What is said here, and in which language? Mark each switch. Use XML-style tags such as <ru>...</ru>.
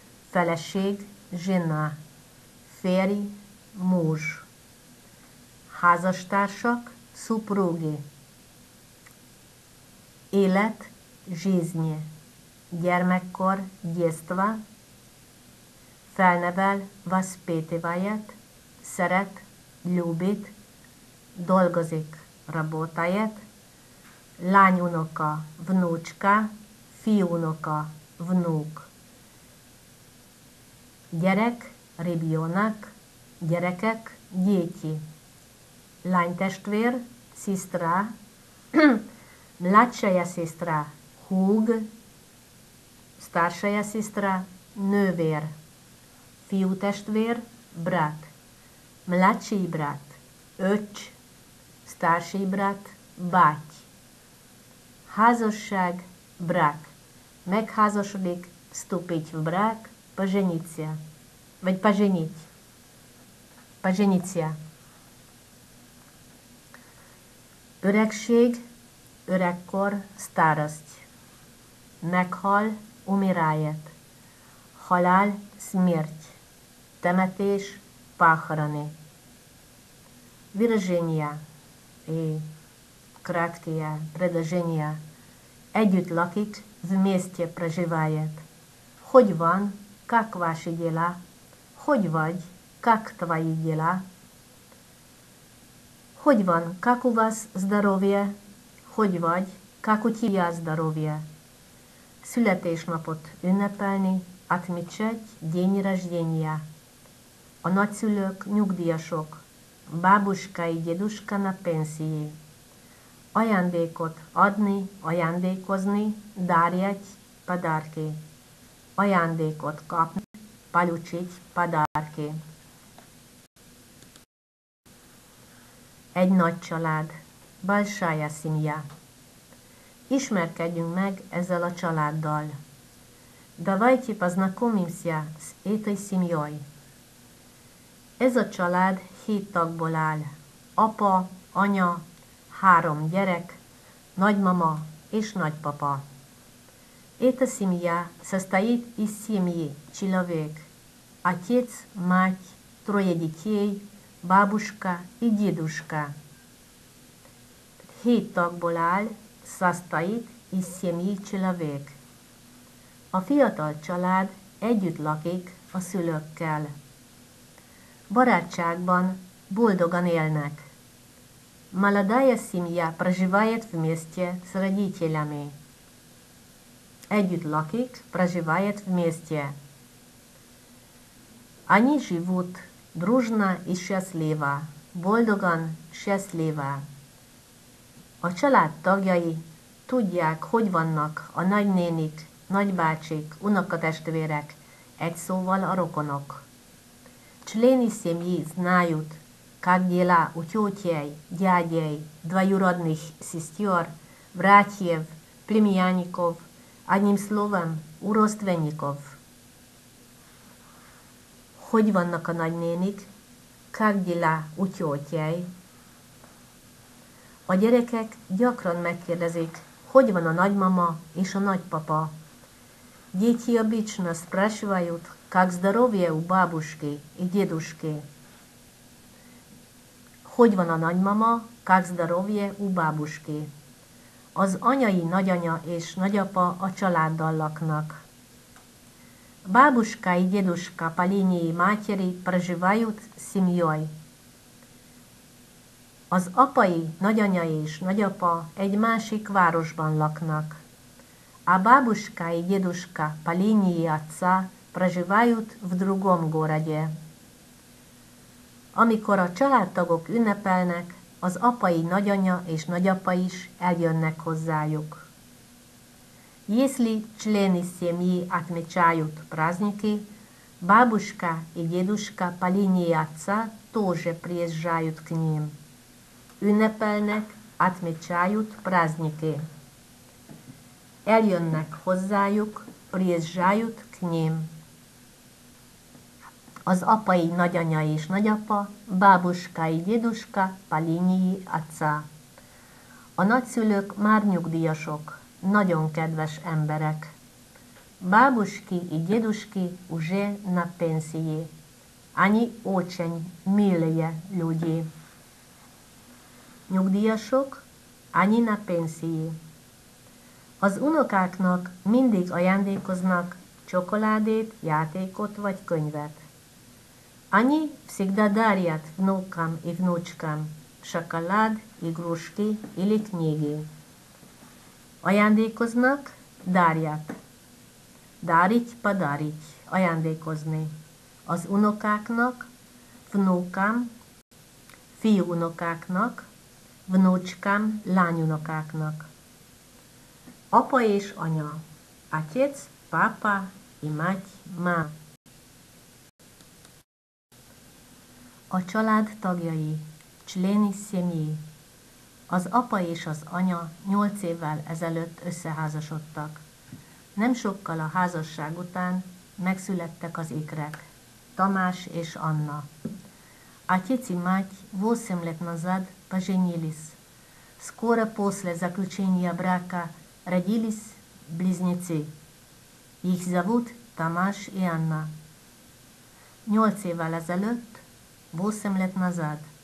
<hu>Feleség, жена, férj, муж, házastársak, супруги, élet, жизнь, gyermekkor, детство, felnevel, воспитывает, szeret, любит, dolgozik, работает, lányunoka, внучка, fiúnoka, внук. Gyerek, ребенок, gyerekek, дети. Lánytestvér,</hu> <ru>сестра, младшая сестра, húg, старшая сестра, nővér. Fiútestvér, брат, младший брат, öcs, старший брат, báty. Házasság, брак, megházasodik, вступить в брак, пожениться. Ведь поженить. Пожениться.</ru> <hu>Öregség, öregkor, старость. Meghal, умирает. Halál, смерть. Temetés, похороны.</hu> <ru>Выражения и краткие предложения.</ru> <hu>Együtt lakik,</hu> <ru>вместе проживает.</ru> <hu>Hogy van,</hu> <ru>как ваши дела?</ru> <hu>Hogy vagy?</hu> <ru>Как твои дела?</ru> <hu>Hogy van?</hu> <ru>Как у вас здоровье?</ru> <hu>Hogy vagy?</hu> <ru>Как у тебя здоровье?</ru> <hu>Születésnapot ünnepelni,</hu> <ru>отмечать день рождения.</ru> <hu>A nagyszülők nyugdíjasok,</hu> <ru>бабушка и дедушка на пенсии.</ru> <hu>Ajándékot adni, ajándékozni,</hu> <ru>дарять подарки.</ru> <hu>Ajándékot kapni.</hu> <ru>Получить подарки.</ru> <hu>Egy nagy család.</hu> <ru>Большая семья.</ru> <hu>Ismerkedjünk meg ezzel a családdal.</hu> <ru>Давайте познакомимся с этой семьей.</ru> <hu>Ez a család 7 tagból áll. Apa, anya, 3 gyerek, nagymama és nagypapa.</hu> <ru>Эта семья состоит из семьи человек. Отец, мать, 3 детей, бабушка и дедушка.</ru> <hu>7 tagból áll,</hu> <ru>состоит из 7 человек.</ru> <hu>A fiatal család együtt lakik a szülőkkel. Barátságban boldogan élnek.</hu> <ru>Молодая семья проживает вместе с родителями.</ru> <hu>Együtt lakik,</hu> <ru>проживает вместе. Они живут дружно и счастливо.</ru> <hu>Boldogan, счастливо. A család tagjai tudják, hogy vannak a nagynénik, nagybácsik, unokatestvérek, egy szóval a rokonok.</hu> <ru>Члени семьи знают, как дела у тетей, дядей, двоюродных сестер, братьев, племянников, одним словом, у родственников.</ru> <hu>Hogy vannak a nagynénik?</hu> <ru>Как дела у тетей?</ru> <hu>A gyerekek gyakran megkérdezik, hogy van a nagymama és a nagypapa.</hu> <ru>Дети обычно спрашивают, как здоровье у бабушки и дедушки.</ru> <hu>Hogy van a nagymama,</hu> <ru>как здоровье у бабушки.</ru> <hu>Az anyai nagyanya és nagyapa a családdal laknak.</hu> <ru>Бабушка и дедушка по линии матери проживают с семьей.</ru> <hu>Az apai nagyanya és nagyapa egy másik városban laknak.</hu> <ru>A бабушка и дедушка по линии отца проживают в другом городе.</ru> <hu>Amikor a családtagok ünnepelnek, az apai nagyanya és nagyapa is eljönnek hozzájuk.</hu> <ru>Если члены семьи отмечают праздники, бабушка и дедушка по линии отца тоже приезжают к ним.</ru> <hu>Ünnepelnek,</hu> <ru>отмечают праздники.</ru> <hu>Eljönnek hozzájuk,</hu> <ru>приезжают к ним.</ru> <hu>Az apai nagyanya és nagyapa,</hu> <ru>бабушка и дедушка по линии отца.</ru> <hu>A nagyszülők már nyugdíjasok, nagyon kedves emberek.</hu> <ru>Бабушки и дедушки уже на пенсии. Они очень милые люди.</ru> <hu>Nyugdíjasok,</hu> <ru>они на пенсии.</ru> <hu>Az unokáknak mindig ajándékoznak csokoládét, játékot vagy könyvet.</hu> <ru>Они всегда дарят внукам и внучкам шоколад, игрушки или книги.</ru> <hu>Ajándékoznak, дарят.</hu> <ru>Дарить, подарить, ajándékozni.</ru> <hu>Az unokáknak, внукам, фиу unokáknak, внучкам, лань unokáknak.</hu> <ru>Apa és anya, отец, папа и мать, мама.</ru> <hu>A család tagjai,</hu> <ru>члени семьи.</ru> <hu>Az apa és az anya 8 évvel ezelőtt összeházasodtak. Nem sokkal a házasság után megszülettek az ikrek, Tamás és Anna.</hu> <ru>Отец и мать 8 лет назад поженились. Скоро после заключения брака родились близнецы. Их зовут Tamás и Anna.</ru> <hu>8 évvel ezelőtt</hu> <ru>Восем лет назад.</ru>